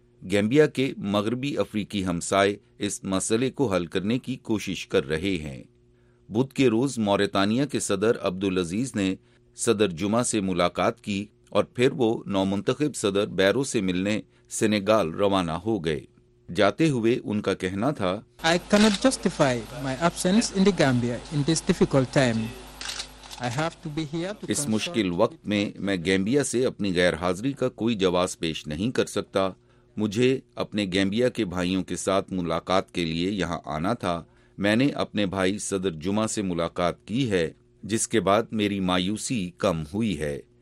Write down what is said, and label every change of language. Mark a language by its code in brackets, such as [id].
[ur] Gambia کے مغربی افریقی ہمسائے اس مسئلے کو حل کرنے کی کوشش کر رہے ہیں. بدھ کے روز موریتانیہ کے صدر عبدالعزیز نے صدر جمعہ سے ملاقات کی, اور پھر وہ نو منتخب صدر بیرو سے ملنے سینیگال روانہ ہو گئے. جاتے ہوئے ان کا کہنا تھا, [en] I cannot justify my absence in the Gambia in this difficult time. I have to be here to [ur] اس مشکل وقت میں میں گیمبیا سے اپنی غیر حاضری کا کوئی جواز پیش نہیں کر سکتا. مجھے اپنے گیمبیا کے بھائیوں کے ساتھ ملاقات کے لیے یہاں آنا تھا. میں نے اپنے بھائی صدر جمعہ سے ملاقات کی ہے, جس کے بعد میری مایوسی کم ہوئی ہے.